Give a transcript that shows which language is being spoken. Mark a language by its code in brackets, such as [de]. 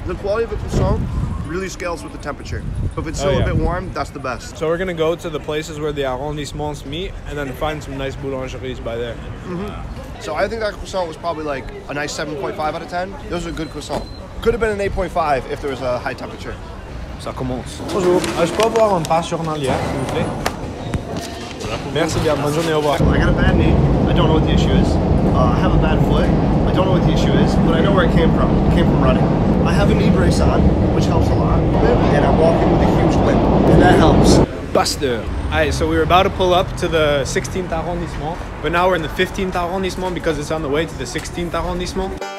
[en] The quality of the croissant really scales with the temperature. If it's still a bit warm, that's the best. So we're going to go to the places where the arrondissements meet and then find some nice boulangeries by there. Mm-hmm. So I think that croissant was probably like a nice 7.5 out of 10. Those are good croissant. Could have been an 8.5 if there was a high temperature. [fr] Ça commence. Bonjour. Je peux avoir un pain journalier, s'il vous plaît? Merci bien. Bonne journée. Au revoir. [en] I got a bad knee. I don't know what the issue is. I have a bad foot. I don't know what the issue is, but I know where it came from. It came from running. I have a knee brace on, which helps a lot. And I'm walking with a huge limp, and that helps. Buster. Alright, so we were about to pull up to the 16th arrondissement, but now we're in the 15th arrondissement because it's on the way to the 16th arrondissement.